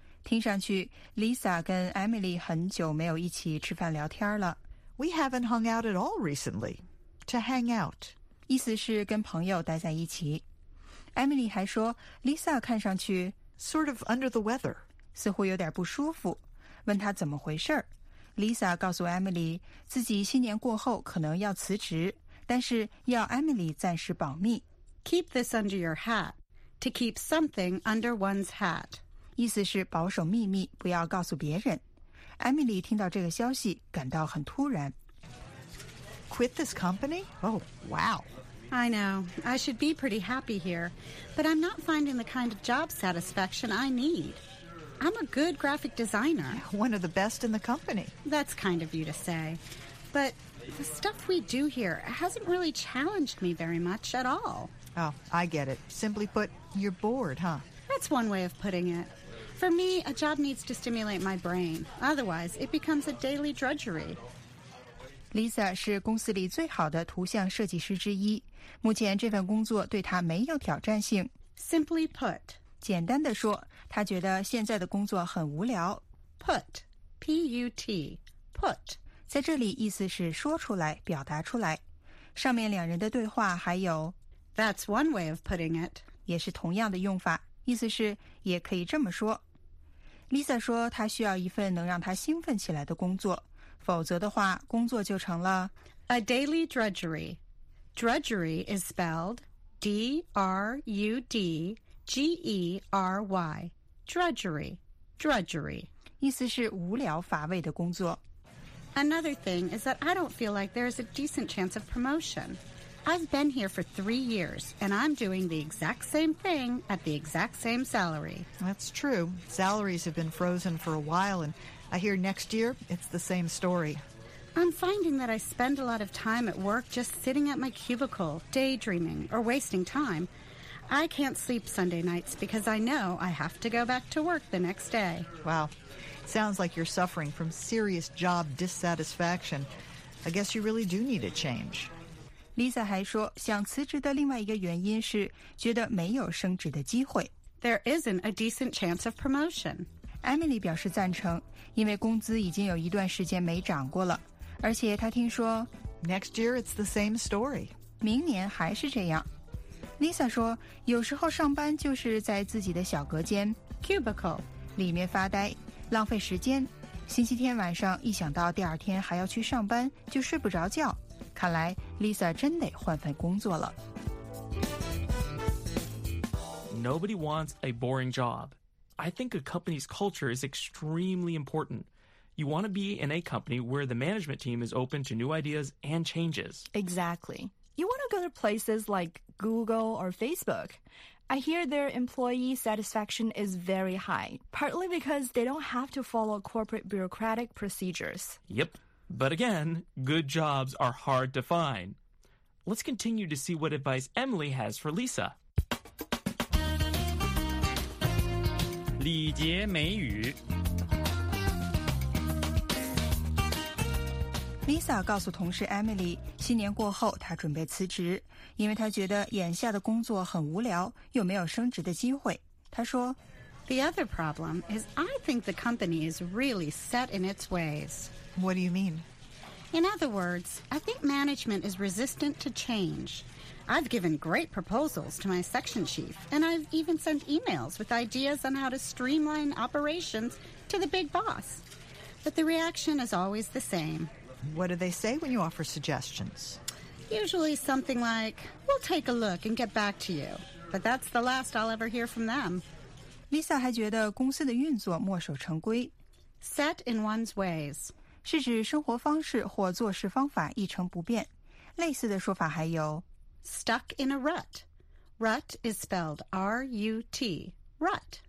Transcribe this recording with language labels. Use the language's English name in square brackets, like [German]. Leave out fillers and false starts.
[Chinese] 听上去 ,Lisa 跟 Emily 很久没有一起吃饭聊天了。 [English] We haven't hung out at all recently. To hang out. [Chinese] 意思是跟朋友待在一起。Emily 还说 ,Lisa 看上去 [English] sort of under the weather. [Chinese] 似乎有点不舒服。问她怎么回事。 Lisa 告诉 Emily, 自己新年过后可能要辞职,但是要 Emily 暂时保密。 [English] Keep this under your hat. To keep something under one's hat. [Chinese] 意思是保守秘密，不要告诉别人。Emily 听到这个消息，感到很突然。 [English] Quit this company? Oh, wow. I know. I should be pretty happy here. But I'm not finding the kind of job satisfaction I need. I'm a good graphic designer. One of the best in the company. That's kind of you to say. But the stuff we do here hasn't really challenged me very much at all. Oh, I get it. Simply put, you're bored, huh? That's one way of putting it. For me, a job needs to stimulate my brain. Otherwise, it becomes a daily drudgery. [Chinese] Lisa 是公司里最好的图像设计师之一。目前这份工作对她没有挑战性。 [English] Simply put. [Chinese] 简单地说，她觉得现在的工作很无聊。 [English] Put. P-U-T. Put. [Chinese] 在这里意思是说出来，表达出来。上面两人的对话还有 [English] That's one way of putting it. [Chinese] 也是同样的用法。意思是也可以这么说。 Lisa 说她需要一份能让她兴奋起来的工作，否则的话，工作就成了 [English] a daily drudgery. Drudgery is spelled D-R-U-D-G-E-R-Y. Drudgery, drudgery. [Chinese] 意思是无聊乏味的工作。 [English] Another thing is that I don't feel like there is a decent chance of promotion. I've been here for 3 years, and I'm doing the exact same thing at the exact same salary. That's true. Salaries have been frozen for a while, and I hear next year it's the same story. I'm finding that I spend a lot of time at work just sitting at my cubicle, daydreaming, or wasting time. I can't sleep Sunday nights because I know I have to go back to work the next day. Wow. Sounds like you're suffering from serious job dissatisfaction. I guess you really do need a change. [Chinese] Lisa 还说，想辞职的另外一个原因是觉得没有升职的机会。 [English] there isn't a decent chance of promotion. [Chinese] Emily 表示赞成，因为工资已经有一段时间没涨过了，而且她听说 [English] Next year it's the same story. [Chinese] 明年还是这样。 Lisa 说，有时候上班就是在自己的小隔间 [English] cubicle [Chinese] 里面发呆，浪费时间。星期天晚上一想到第二天还要去上班，就睡不着觉。看来 Lisa 真得换份工作了。 [English] Nobody wants a boring job. I think a company's culture is extremely important. You want to be in a company where the management team is open to new ideas and changes. Exactly. You want to go to places like Google or Facebook. I hear their employee satisfaction is very high, partly because they don't have to follow corporate bureaucratic procedures. Yep. But again, good jobs are hard to find. Let's continue to see what advice Emily has for Lisa. [Chinese] 礼节美语 Lisa 告诉同事 Emily, 新年过后她准备辞职。因为他觉得眼下的工作很无聊，又没有升职的机会。他说 [English] The other problem is I think the company is really set in its ways. What do you mean? In other words, I think management is resistant to change. I've given great proposals to my section chief, and I've even sent emails with ideas on how to streamline operations to the big boss. But the reaction is always the same. What do they say when you offer suggestions? Usually something like, we'll take a look and get back to you. But that's the last I'll ever hear from them. [Chinese] Lisa 还觉得公司的运作墨守成规。 [English] Set in one's ways. [Chinese] 是指生活方式或做事方法一成不变。类似的说法还有 [English] Stuck in a rut. Rut is spelled R-U-T. Rut.